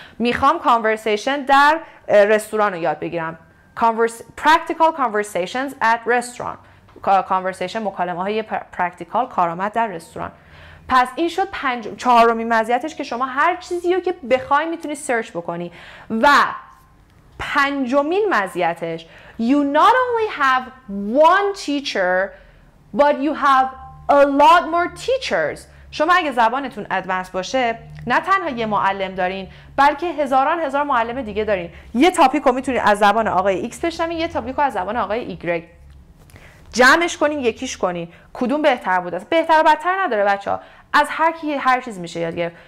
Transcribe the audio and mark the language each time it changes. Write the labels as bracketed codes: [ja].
[fa] میخوام کانورسیشن در رستوران رو یاد بگیرم، [en] practical conversations at restaurant، [fa] conversation مکالمه های practical کارآمد در رستوران. پس این شد چهارمی مزیتش که شما هر چیزی رو که بخوای میتونی سرچ بکنی. و پنجمین مزیتش، [en] you not only have one teacher but you have a lot more teachers. [fa] شما اگه زبانتون ادوانس باشه نه تنها یه معلم دارین، بلکه هزاران هزار معلم دیگه دارین. یه تاپیک رو میتونین از زبان آقای ایکس بشنوین، یه تاپیک رو از زبان آقای ایگرگ، جمعش کنین، یکیش کنین، کدوم بهتر بود؟ است بهتر و بدتر نداره بچه ها، از هر کی هر چیز میشه یاد گرفت.